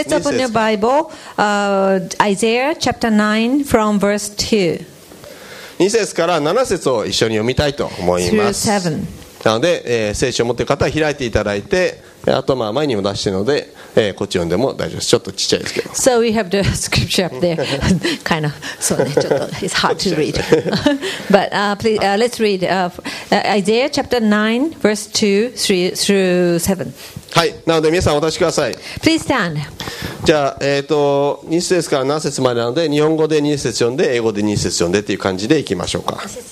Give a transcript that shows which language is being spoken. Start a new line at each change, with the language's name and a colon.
English: Let's open your Bible、Isaiah chapter 9 from verse 2。
Japanese: 2節から7節を一緒に読みたいと思います。なので、聖書を持っている方は開いていただいて、あと、まあ前にも出しているので、こっち読んでも大丈夫です。ちょっとちっちゃいですけど。
English: So we have the scripture up there. Kind of,
Japanese: そうね、ちょっと、
English: it's hard to read. But please, let's read Isaiah chapter 9, verse 2 through 7.
Japanese: はい、なので皆さんお立ちください。
English: Please stand.
Japanese: じゃあ、2節から何節までなので、日本語で2節読んで、英語で2節読んでっていう感じでいきましょうか。